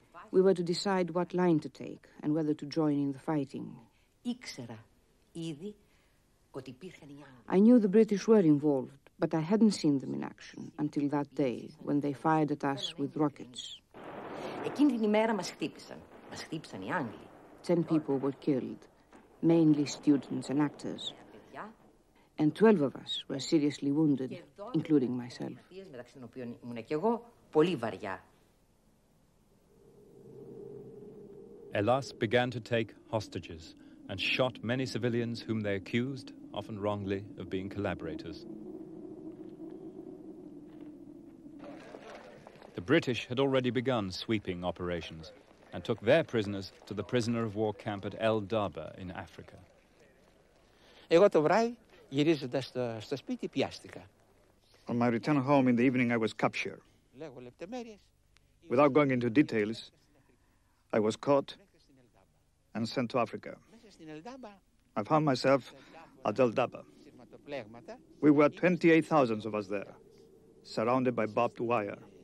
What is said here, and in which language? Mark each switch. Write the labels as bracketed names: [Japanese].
[English] We were to decide what line to take and whether to join in the fighting. [Greek] ήξερα ήδη ότι υπήρχαν οι Άγγλοι. [English] I knew the British were involved, but I hadn't seen them in action until that day when they fired at us with rockets. [Greek] Εκείνη την ημέρα μας χτύπησαν. Μας χτύπησαν οι Άγγλοι. [English] 10 people were killed, mainly students and actors. And 12 of us were seriously wounded, including myself. [Greek] Μεταξύ των οποίων ήμουν και εγώ, πολύ βαριά. [English] Ελλάς began to take hostages and shot many civilians whom they accused, often wrongly, of being collaborators. The British had already begun sweeping operations and took their prisoners to the prisoner of war camp at El Darba in Africa. [Greek] Εγώ το βράδυ, γυρίζοντας στο σπίτι, πιάστηκα. [English] On my return home in the evening, I was captured. [Greek] Λέγω λεπτομέρειες. [English] Without going into details, I was caught and sent to Africa. I found myself at El Darba. We were 28,000 of us there, surrounded by barbed wire.